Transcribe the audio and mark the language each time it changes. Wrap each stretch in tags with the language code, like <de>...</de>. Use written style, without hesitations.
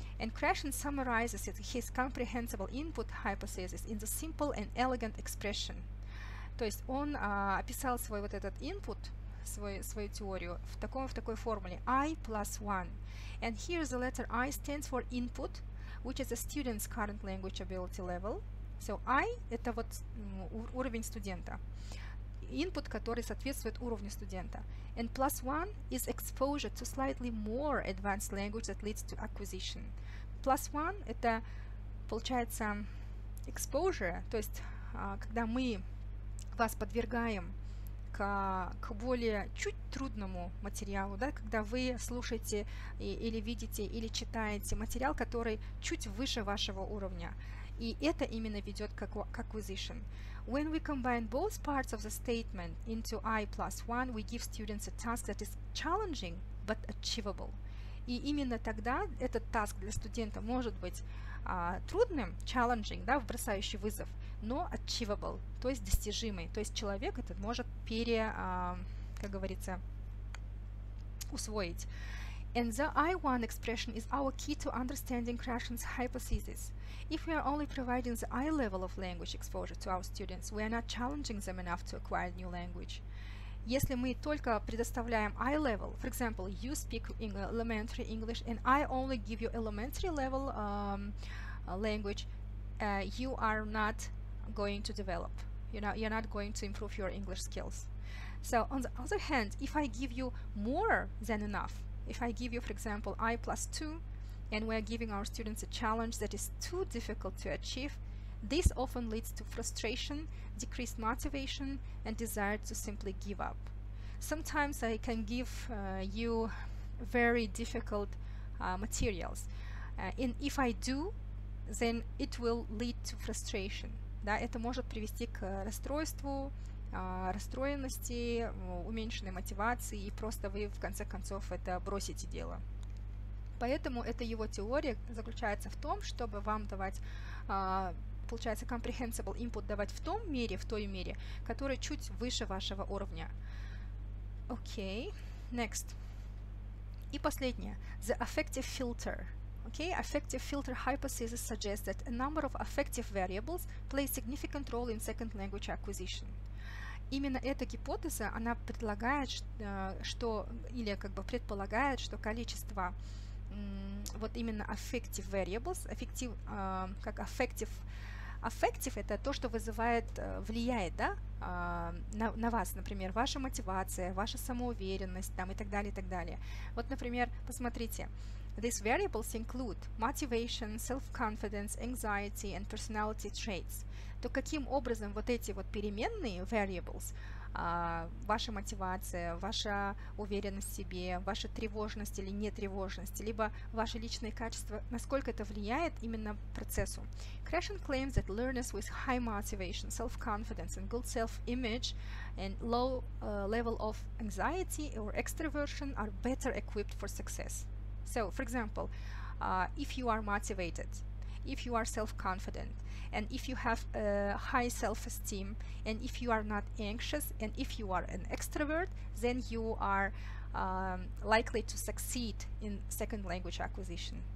<en>And Krashen summarizes his comprehensible input hypothesis in the simple and elegant expression.</en> <ru>То есть он описал свой вот этот input, свою теорию в такой формуле I plus one.</ru> <en>And here the letter I stands for input, which is a student's current language ability level.</en> <ru>So I – это вот уровень студента. Input, который соответствует уровню студента.</ru> <en>And plus one is exposure to slightly more advanced language that leads to acquisition.</en> <ru>Plus one – это, получается, exposure, то есть когда мы вас подвергаем к более чуть трудному материалу, да, когда вы слушаете или видите, или читаете материал, который чуть выше вашего уровня. И это именно ведет к acquisition.</ru> <en>When we combine both parts of the statement into I plus one, we give students a task that is challenging, but achievable.</en> <ru>И именно тогда этот task для студента может быть трудным, challenging, да, бросающий вызов, но achievable, то есть достижимый. То есть человек этот может как говорится, усвоить.</ru> <en>And the I1 expression is our key to understanding Krashen's hypothesis. If we are only providing the I level of language exposure to our students, we are not challenging them enough to acquire new language.</en> <ru>Если мы только предоставляем</ru> <en>I level, for example, you speak elementary English and I only give you elementary level language, you are not going to develop. You're not going to improve your English skills. So on the other hand, if I give you more than enough, if I give you, for example, I plus two, and we're giving our students a challenge that is too difficult to achieve, this often leads to frustration, decreased motivation, and desire to simply give up. Sometimes I can give you very difficult materials. And if I do, then it will lead to frustration.</en> <ru>Да, это может привести к расстройству, расстроенности, уменьшенной мотивации, и просто вы в конце концов это бросите дело. Поэтому эта его теория заключается в том, чтобы вам давать, получается, comprehensible input давать в том мере, в той мере, которая чуть выше вашего уровня. Окей, next. И последнее.</ru> <en>The affective filter. Okay, affective filter hypothesis suggests that a number of affective variables play a significant role in second language acquisition.</en> <ru>Именно эта гипотеза, она предлагает, что, или как бы предполагает, что количество вот именно affective variables, affective, как affective, affective это то, что вызывает, влияет, да, на вас, например, ваша мотивация, ваша самоуверенность, там, и так далее, и так далее. Вот, например, посмотрите.</ru> <en>These variables include motivation, self-confidence, anxiety, and personality traits.</en> <ru>То каким образом вот эти вот переменные variables, ваша мотивация, ваша уверенность в себе, ваша тревожность или нетревожность, либо ваши личные качества, насколько это влияет именно процессу.</ru> <en>Крашен claims that learners with high motivation, self-confidence, and good self-image and low level of anxiety or extroversion are better equipped for success. So, for example, if you are motivated, if you are self-confident, and if you have a high self-esteem, and if you are not anxious, and if you are an extrovert, then you are likely to succeed in second language acquisition.</en>